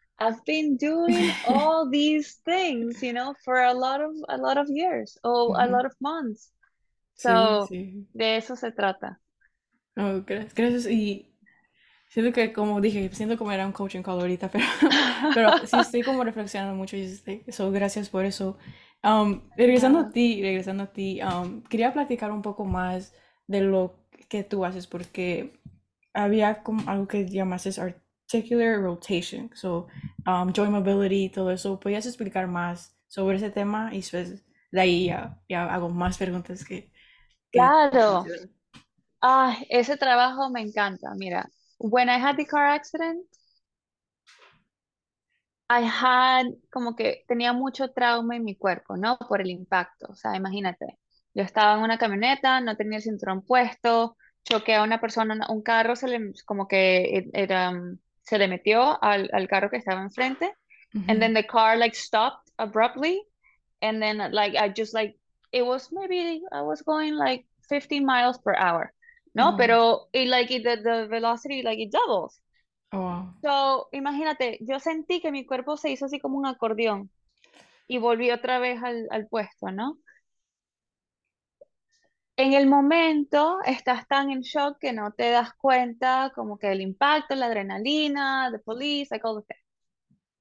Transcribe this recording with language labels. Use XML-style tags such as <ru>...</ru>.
<en>I've been doing all these things, you know, for a lot of years, or a lot of months. So,</en> <es>sí. De eso se trata. Oh, gracias. Y siento que, como dije, siento como era un coaching call ahorita, pero sí estoy como reflexionando mucho y eso, gracias por eso. Regresando a ti, quería platicar un poco más de lo que tú haces, porque había como algo que llamaste</es> <en>articular rotation, so joint mobility</en> <es>y todo eso. ¿Podrías explicar más sobre ese tema? Y después de ahí ya hago más preguntas Claro. Ese trabajo me encanta. Mira,</es> <en>when I had the car accident, I had</en> <es>como que tenía mucho trauma en mi cuerpo, ¿no? Por el impacto. O sea, imagínate, yo estaba en una camioneta, no tenía el cinturón puesto, choqué a una persona, un carro se le, como que se le metió al carro que estaba enfrente.</es> <en>And then the car like stopped abruptly. And then like, I just like, it was maybe, I was going like 50 miles per hour, ¿no? Mm. Pero it, like it, the velocity, like it doubles. Oh.</en> <es>So, imagínate, yo sentí que mi cuerpo se hizo así como un acordeón y volví otra vez al puesto, ¿no? En el momento estás tan en shock que no te das cuenta como que el impacto, la adrenalina,</es> <en>the police, like all the things.</en>